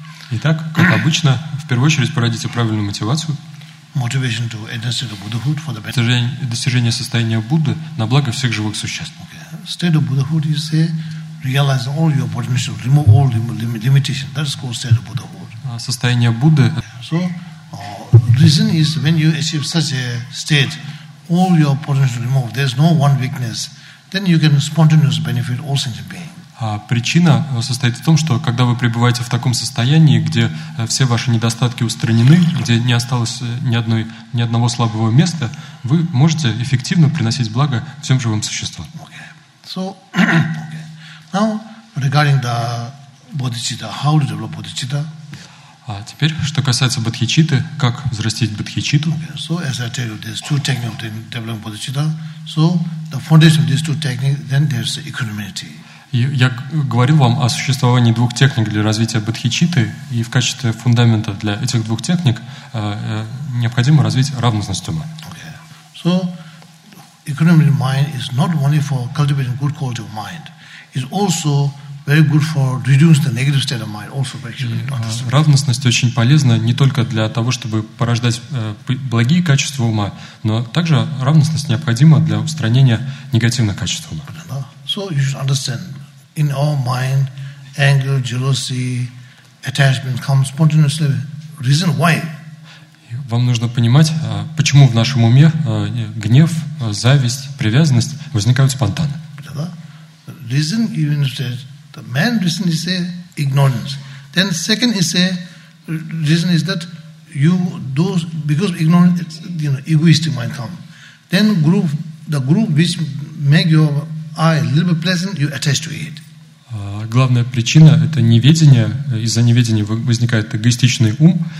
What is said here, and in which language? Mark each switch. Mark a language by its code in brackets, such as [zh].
[ru] Итак, как обычно, в первую очередь породите правильную мотивацию. [en] Motivation to attain the Buddhahood for the better. [ru] Достижение состояния Будды на благо всех живых существ. [en] Okay. State of Buddhahood, you say, realize all your potential, remove all limitations. That is called state of Buddhahood. [ru] Состояние Будды. [en] So, reason is when you achieve such a state, all your potential removed. There is no one weakness. Then you can spontaneously benefit all sentient beings. [ru] А причина состоит в том, что когда вы пребываете в таком состоянии, где все ваши недостатки устранены, где не осталось ни одного слабого места, вы можете эффективно приносить благо всем живым существам. [en] Okay. So, okay. Now, regarding the bodhicitta, how to develop bodhicitta? [ru] А теперь, что касается бодхичитты, как взрастить бодхичитту? [en] Okay. So, as I tell you, there's two techniques to develop bodhicitta. So, the foundation of these two techniques, then there's the equanimity. [ru] Я говорил вам о существовании двух техник для развития бодхичитты, и в качестве фундамента для этих двух техник необходимо развить равностность ума. [en] So, equanimity of mind is not only for cultivating good quality of mind, it's also very good for reducing the negative state of mind, also for equanimity. [ru] Равностность очень полезна не только для того, чтобы порождать благие качества ума, но также равностность необходима для устранения негативных качеств ума. [en] So you should understand. In our mind, anger, jealousy, attachment comes spontaneously. Reason why? [ru] Вам нужно понимать, почему в нашем уме гнев, зависть, привязанность возникают спонтанно. [en] Reason, even if the main reason is say ignorance. Then second is say reason is that you those because ignorance, it's, you know, egoistic mind come. Then group, the group which make your eye a little bit pleasant, you attach to it. [ru] Главная причина – это неведение. Из-за неведения возникает эгоистичный ум.